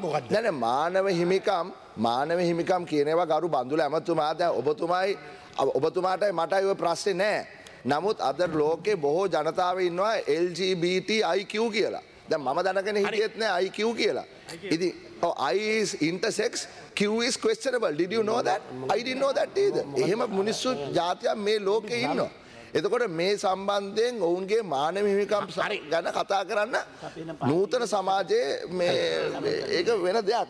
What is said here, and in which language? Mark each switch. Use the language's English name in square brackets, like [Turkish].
[Sinhala] නැ මානව හිමිකම් කියනවා ගරු බඳුල ඇමතුමා. දැන් ඔබතුමාටයි මටයි ඔය ප්‍රශ්නේ නැහැ. නමුත් අද ලෝකේ බොහෝ ජනතාව ඉන්නවා LGBTIQ කියලා. දැන් මම දැනගෙන හිටියෙත් නැහැ IQ කියලා. [English] ඉතින් I is intersex, Q is questionable. Did you know that? I didn't know that either. [Sinhala] එහෙම මිනිස්සු ජාතියක් මේ ලෝකේ ඉන්නවා. එතකොට මේ සම්බන්ධයෙන් ඔවුන්ගේ මානව හිමිකම් ගැන කතා කරන්න නූතන සමාජයේ මේ ඒක වෙන දෙයක්.